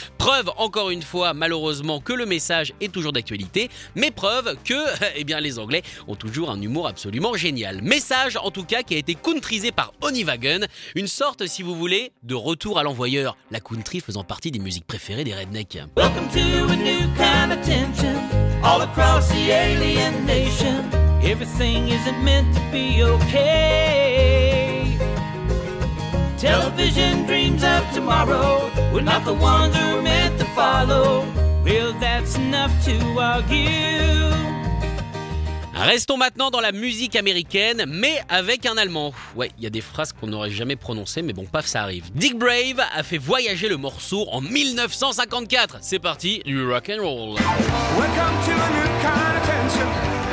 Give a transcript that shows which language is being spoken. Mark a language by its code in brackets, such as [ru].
[fr] Preuve, encore une fois, malheureusement, que le message est toujours d'actualité, mais preuve que les Anglais ont toujours un humour absolument génial. Message, en tout cas, qui a été countryisé par Honey Wagon, une sorte, si vous voulez, de retour à l'envoyeur, la country faisant partie des musiques préférées des rednecks. [en] Welcome to a new kind of tension all across the alien nation. Everything isn't meant to be okay. Television dreams of tomorrow, we're not the ones who are meant to follow. Well, that's enough to argue. [fr] Restons maintenant dans la musique américaine, mais avec un Allemand. Ouais, il y a des phrases qu'on n'aurait jamais prononcées, mais bon, paf, ça arrive. Dick Brave a fait voyager le morceau en 1954. C'est parti, du rock and roll. [en] Welcome to a new kind of tension.